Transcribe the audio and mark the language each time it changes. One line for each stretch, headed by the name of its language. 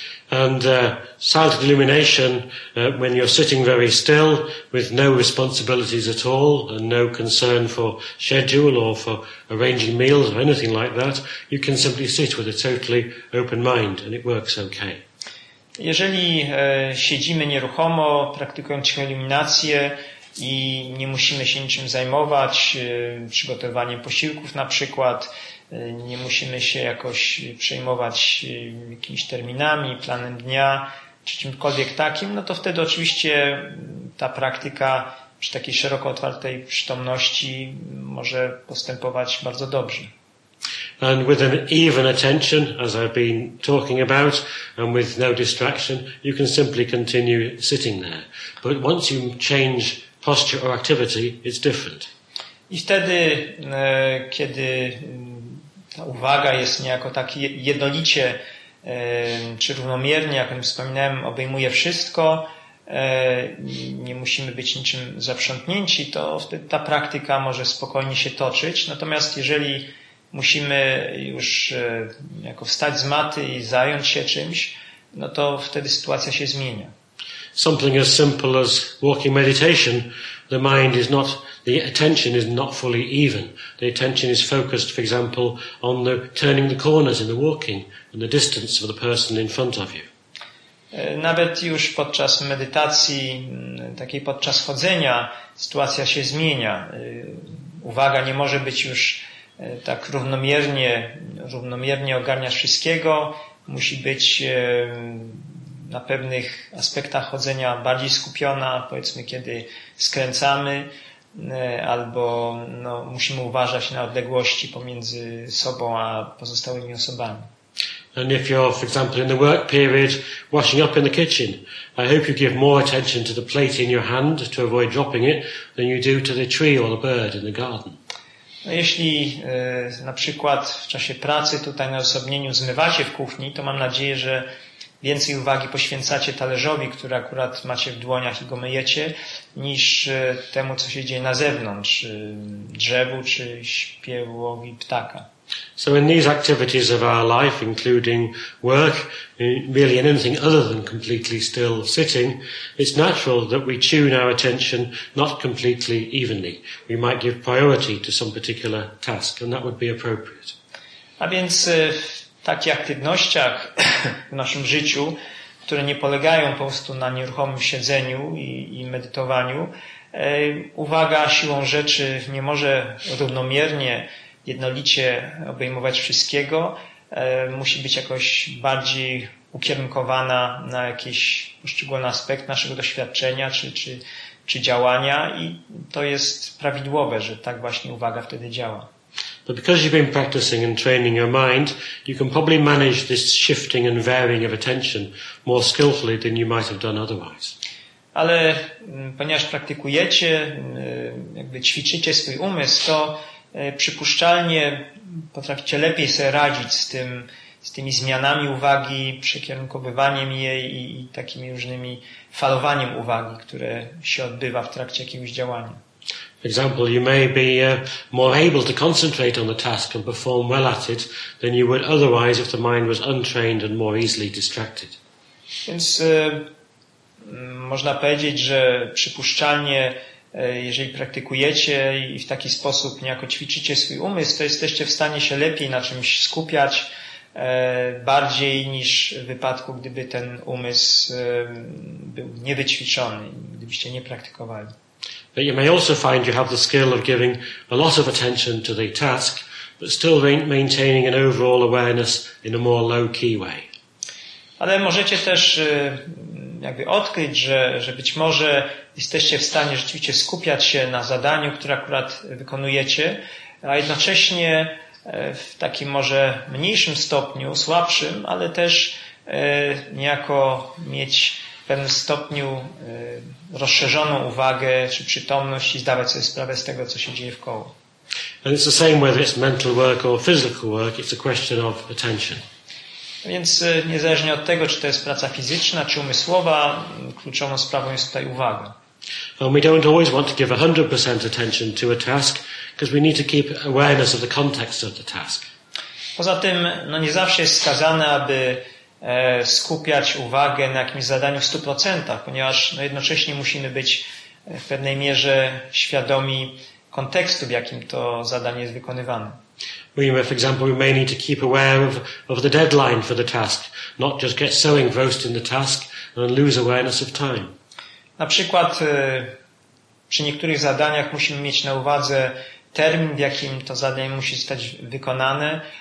English: And silent illumination, when you're sitting very still, with no responsibilities at all, and no concern for schedule or for arranging meals or anything like that, you can simply sit with a totally open mind and it works okay.
Polish: Jeżeli siedzimy nieruchomo, praktykując cichą iluminację i nie musimy się niczym zajmować, przygotowaniem posiłków na przykład, nie musimy się jakoś przejmować jakimiś terminami, planem dnia, czy czymkolwiek takim, no to wtedy oczywiście ta praktyka przy takiej szeroko otwartej przytomności może postępować bardzo dobrze.
English: And with an even attention, as I've been talking about, and with no distraction, you can simply continue sitting there. But once you change posture or activity, it's different.
Polish: I wtedy, kiedy ta uwaga jest niejako tak jednolicie, czy równomiernie, jak wspominałem, obejmuje wszystko, nie musimy być niczym zaprzątnięci, to wtedy ta praktyka może spokojnie się toczyć. Natomiast jeżeli musimy już jako wstać z maty i zająć się czymś, no to wtedy sytuacja się zmienia.
English: Something as simple as walking meditation, the mind is not, the attention is not fully even. The attention is focused, for example, on the turning the corners in the walking and the distance of the person in front of you.
Polish: Nawet już podczas medytacji, takiej podczas chodzenia, sytuacja się zmienia. Uwaga nie może być już tak równomiernie ogarniasz wszystkiego, musi być na pewnych aspektach chodzenia bardziej skupiona, powiedzmy, kiedy skręcamy, albo no, musimy uważać na odległości pomiędzy sobą a pozostałymi osobami.
English: And if you're, for example, in the work period, washing up in the kitchen, I hope you give more attention to the plate in your hand to avoid dropping it than you do to the tree or the bird in the garden.
Polish: No, jeśli na przykład w czasie pracy tutaj na osobnieniu zmywacie w kuchni, to mam nadzieję, że więcej uwagi poświęcacie talerzowi, który akurat macie w dłoniach i go myjecie, niż temu, co się dzieje na zewnątrz, drzewu czy śpiewowi ptaka.
English: So in these activities of our life, including work, really anything other than completely still sitting, it's natural that we tune our attention not completely evenly. We might give priority to some particular task, and that would be appropriate.
Polish: A więc w takich aktywnościach w naszym życiu, które nie polegają po prostu na nieruchomym siedzeniu i medytowaniu, uwaga siłą rzeczy nie może równomiernie jednolicie obejmować wszystkiego, musi być jakoś bardziej ukierunkowana na jakiś poszczególny aspekt naszego doświadczenia czy działania, i to jest prawidłowe, że tak właśnie uwaga wtedy działa.
English: But because you've been practicing and training your mind, you can probably manage this shifting and varying of attention more skillfully than you might have done otherwise.
Polish: Ale ponieważ praktykujecie, jakby ćwiczycie swój umysł, to przypuszczalnie potraficie lepiej sobie radzić z tymi zmianami uwagi, przekierunkowywaniem jej i takimi różnymi falowaniem uwagi, które się odbywa w trakcie jakiegoś działania.
English: For example, you may be more able to concentrate on the task and perform well at it than you would otherwise if the mind was untrained and more easily distracted.
Polish: Więc można powiedzieć, że przypuszczalnie jeżeli praktykujecie i w taki sposób niejako ćwiczycie swój umysł, to jesteście w stanie się lepiej na czymś skupiać, bardziej niż w wypadku, gdyby ten umysł był niewyćwiczony, gdybyście nie praktykowali.
English: But you may also find you have the skill of giving a lot of attention to the task, but still maintaining an overall awareness in a more low-key way.
Polish: Ale możecie też jakby odkryć, że być może jesteście w stanie rzeczywiście skupiać się na zadaniu, które akurat wykonujecie, a jednocześnie w takim może mniejszym stopniu, słabszym, ale też niejako mieć w pewnym stopniu rozszerzoną uwagę czy przytomność i zdawać sobie sprawę z tego, co się dzieje wkoło.
English: And it's the same whether it's mental work or physical work, it's a question of attention.
Polish: Więc niezależnie od tego, czy to jest praca fizyczna, czy umysłowa, kluczową sprawą jest tutaj uwaga.
English: And we don't always want to give 100% attention to a task, because we need to keep awareness of the context of the task.
Polish: Poza tym, no nie zawsze jest wskazane, aby skupiać uwagę na jakimś zadaniu w 100%, ponieważ no jednocześnie musimy być w pewnej mierze świadomi kontekstu, w jakim to zadanie jest wykonywane.
English: For example, we may need to keep aware of the deadline for the task, not just get so engrossed in the task and lose awareness of time.
Polish: Na przykład przy niektórych zadaniach musimy mieć na uwadze termin, w jakim to zadanie musi zostać wykonane.